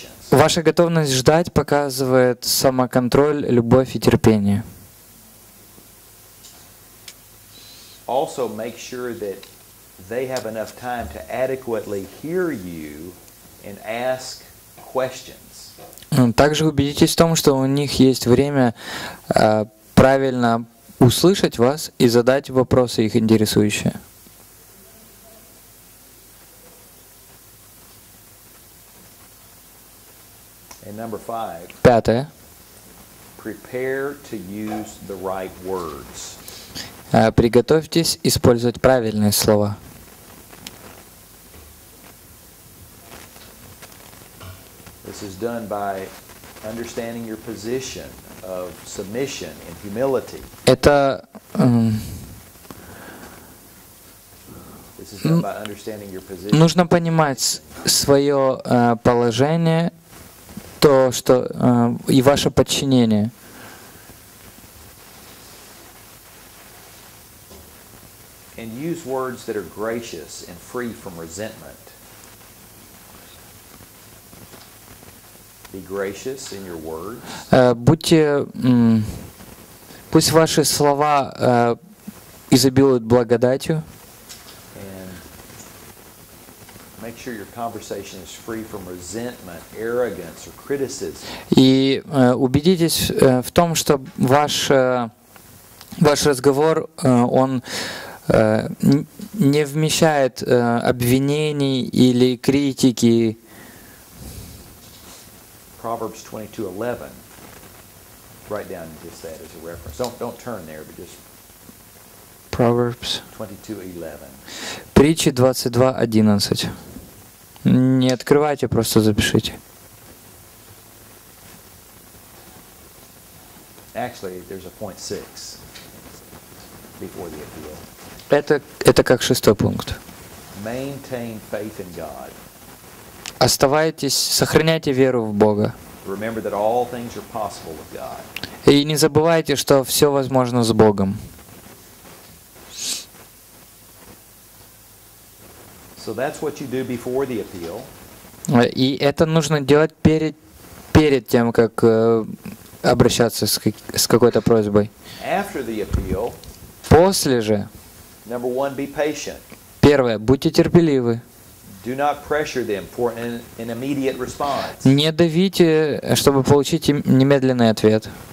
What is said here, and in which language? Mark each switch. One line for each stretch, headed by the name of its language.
Russian: Ваша готовность ждать показывает самоконтроль, любовь и терпение.
English: Also make sure that they have enough time to adequately hear you and ask questions.
Russian: Также убедитесь в том, что у них есть время правильно услышать вас и задать вопросы их интересующие.
English: Number five.
Russian: Пятое.
English: Prepare to use the right words.
Russian: Приготовьтесь использовать правильные слова.
English: This is done by understanding your position of submission and humility.
Russian: Это
English: This is done by understanding your position.
Russian: Нужно понимать свое положение. То, что и ваше подчинение.
English: And use words that are gracious and free from resentment. Be gracious in your words.
Russian: Пусть ваши слова изобилуют благодатью.
English: And make sure your conversation is free from resentment, arrogance, or criticism.
Russian: И убедитесь в том, что ваш разговор, он не вмещает обвинений или критики.
English: Proverbs 22:11. Write down just that as a reference. Don't turn there, but just Proverbs 22:11.
Russian: Притчи 22:11. Не открывайте, просто запишите.
English: Actually, there's a point 6 before the appeal.
Russian: Это как шестой пункт.
English: Maintain faith in God.
Russian: Оставайтесь, сохраняйте веру в Бога.
English: Remember that all things are possible with God.
Russian: И не забывайте, что все возможно с Богом.
English: So that's what you do before the appeal.
Russian: И это нужно делать перед тем, как обращаться с какой-то просьбой.
English: After the appeal,
Russian: после же,
English: number one, be patient.
Russian: Первое, будьте терпеливы.
English: Do not pressure them for an immediate response.
Russian: Не давите, чтобы получить немедленный ответ.